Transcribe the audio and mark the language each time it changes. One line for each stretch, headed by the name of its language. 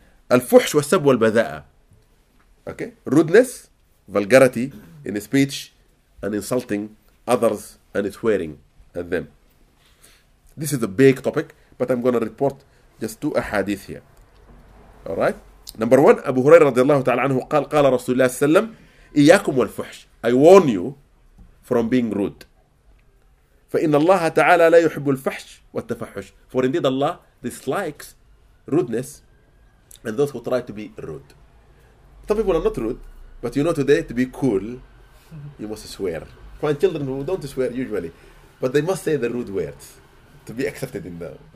Arabic: الفحش والسب والبذاء.
English: Okay? Rudeness, vulgarity in speech and insulting others and swearing at them. This is a big topic, but I'm going to report just 2 ahadith here. All right? Number 1,
Arabic: Abu Hurairah رضي الله تعالى عنه قال, قال رسول الله صلى الله عليه وسلم, إياكم والفحش.
English: I warn you from being rude.
Arabic: فإن الله تعالى لا يحب الفحش والتفحش.
English: For indeed Allah dislikes rudeness and those who try to be rude. Some people are not rude, but you know today, to be cool, you must swear. Find children who don't swear usually, but they must say the rude words to be accepted in them.